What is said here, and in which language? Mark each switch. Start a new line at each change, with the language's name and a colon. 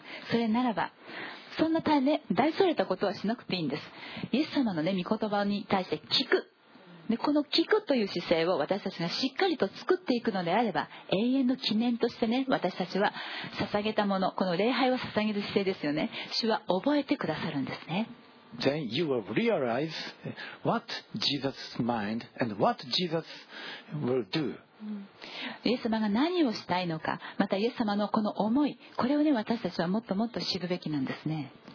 Japanese: それならば、そんな大ね大それたことはしなくていいんです。イエス様のね御言葉に対して聞く。でこの聞くという姿勢を私たちがしっかりと作っていくのであれば、永遠の記念としてね私たちは捧げたもの、この礼拝を捧げる姿勢ですよね。主は覚えてくださるんですね。
English: Then you will realize what Jesus' mind and what Jesus will do.
Japanese: イエス様が何をしたいのか、またイエス様のこの思い、これをね私たちはもっともっと知るべきなんですね。